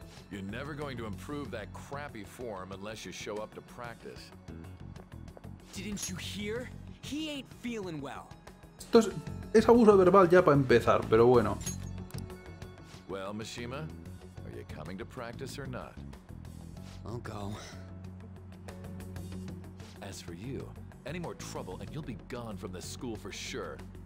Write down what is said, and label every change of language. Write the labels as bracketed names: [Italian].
[English] You're never going to improve that crappy form unless you show up to practice. Didn't you hear? He ain't feeling well. [Spanish] Esto es abuso verbal ya para empezar, pero bueno. [English] Well, Mishima, are you coming to practice or not? I'll go. As for you, Any more trouble and you'll be gone from this school for sure.